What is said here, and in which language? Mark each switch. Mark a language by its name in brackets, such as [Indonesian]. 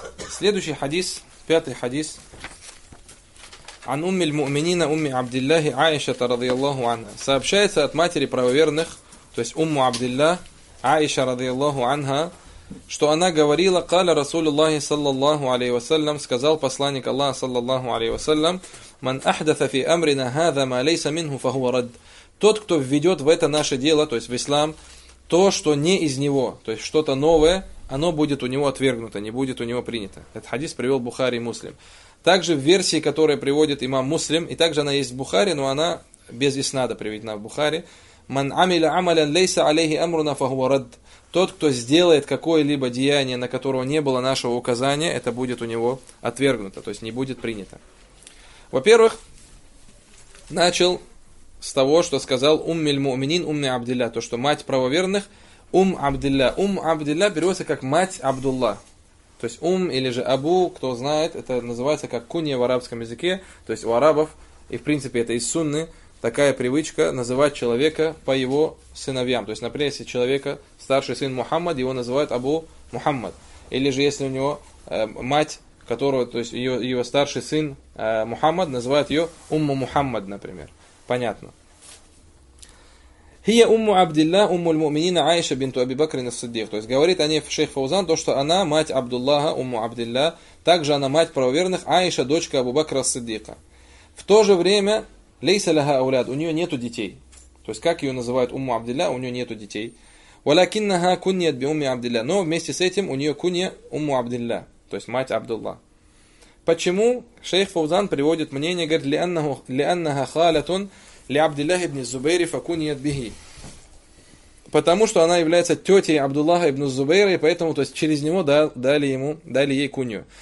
[Russian] Следующий хадис, пятый хадис. [Arabic] عن أم المؤمنين أم عبد الله عائشة رضي الله عنها. [Russian] Сообщается от матери правоверных, то есть [Arabic] أم عبد الله عائشة رضي الله عنها, [Russian] что она говорила, [Arabic] قال رسول الله صلى الله عليه وسلم, [Russian] сказал посланник Аллаха [Arabic] صلى الله عليه وسلم, من أحدث في أمرنا هذا ما ليس منه فهو رد. [Russian] Тот, кто введет в это наше дело, то есть в ислам, то, что не из него, то есть что-то новое, оно будет у него отвергнуто, не будет у него принято. Этот хадис привел Бухари и Муслим. Также в версии, которую приводит имам Муслим, и также она есть в Бухари, но она без иснада приведена в Бухари. [Arabic] «Ман амиля амалян лейса алейхи амруна фахуа рад». [Russian] Тот, кто сделает какое-либо деяние, на которого не было нашего указания, это будет у него отвергнуто, то есть не будет принято. Во-первых, начал с того, что сказал [Arabic] «Уммиль муминин, умми абдилля», [Russian] то, что «мать правоверных», «Ум Абдилля». «Ум Абдилля» переводится как «мать Абдулла». То есть «ум» или же «абу», кто знает, это называется как «кунья» в арабском языке. То есть у арабов, и в принципе это из сунны, такая привычка называть человека по его сыновьям. То есть, например, если человека старший сын Мухаммад, его называют «абу Мухаммад». Или же если у него мать, которого, то есть ее старший сын Мухаммад, называют ее «умму Мухаммад», например. Понятно. [Arabic] هي أم عبد الله أم المؤمنين عائشة بنت أبي بكر الصديق. [Russian] То есть говорит о ней шейх Фаузан то, что она мать Абдуллаха, أم عبد الله, также она мать правоверных, Аиша дочка Абу Бакра ас-Сиддика. В то же время [Arabic] ليس لها أولاد, [Russian] у нее нету детей. То есть как ее называют أم عبد الله, у нее нету детей. [Arabic] ولكنها كنيت بأم عبد الله. [Russian] Но вместе с этим у нее кунья أم عبد الله, то есть мать Абдулла. Почему шейх Фаузан приводит мнение, говорит, [Arabic] لأنها خالة [Russian] ли Абдуллах ибн Зубейри [Arabic] факуният биги. [Russian] Потому что она является тетей Абдуллаха ибн Зубейра, и поэтому, то есть, через него дали ей кунью.